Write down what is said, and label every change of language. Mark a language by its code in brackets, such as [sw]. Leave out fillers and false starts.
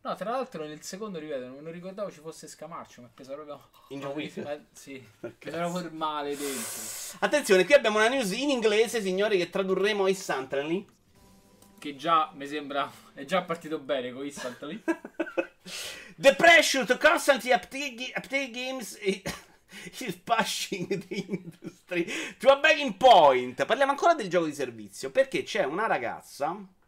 [it] No, tra l'altro nel secondo, ripeto, non ricordavo ci fosse Scamarcio, mi ha preso proprio. In John Wick? Sì, mi Per sono cazzo. proprio male dentro. Attenzione, qui abbiamo una news in inglese, signori, che tradurremo a Santrali. Che già mi sembra. È già partito bene con Instantly. [en] The pressure to constantly update games is pushing the industry to a breaking point. [it] Parliamo ancora del gioco di servizio, perché c'è una ragazza.